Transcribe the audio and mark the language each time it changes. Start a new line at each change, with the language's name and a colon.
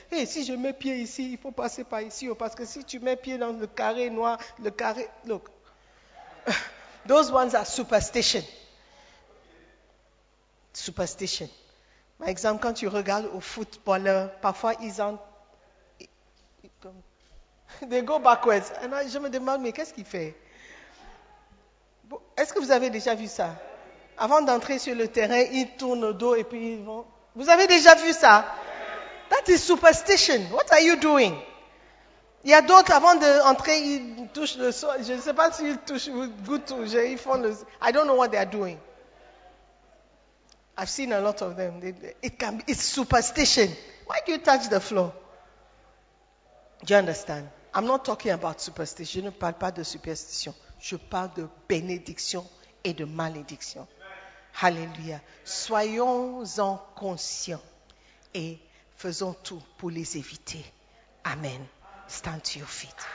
French: Hey, si je mets pied ici, il faut passer par ici. Oh, parce que si tu mets pied dans le carré noir, le carré...
English: Look, those ones are superstition. Superstition.
French: Par exemple, quand tu regardes au footballeur, parfois ils ont...
English: They go backwards. And
French: je me demande, mais qu'est-ce qu'il fait? Est-ce que vous avez déjà vu ça? Avant d'entrer sur le terrain, ils tournent le dos et puis ils vont... Vous avez déjà vu ça?
English: That is superstition. What are you doing?
French: Il y a d'autres, avant d'entrer, ils touchent le sol. Je ne sais pas s'ils touchent ou goûtent. Ils font le...
English: I don't know what they are doing. I've seen a lot of them. It's superstition. Why do you touch the floor? Do you understand? I'm not talking about superstition.
French: Je ne parle pas de superstition. Je parle de bénédiction et de malédiction. Hallelujah. Soyons-en conscients et faisons tout pour les éviter. Amen.
English: Stand to your feet.